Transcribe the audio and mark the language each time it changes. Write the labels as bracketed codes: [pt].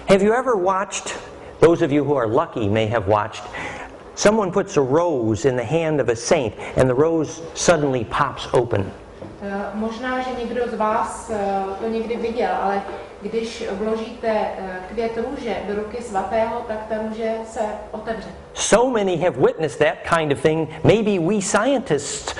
[en] Have you ever watched Those of you who are lucky may have watched. Someone puts a rose in the hand of a saint, and the rose suddenly pops open. [cs] Možná, že někdo z vás to někdy viděl, ale když vložíte květ růže do ruky svatého, tak ta růže se otevře. [en] So many have witnessed that kind of thing. Maybe we scientists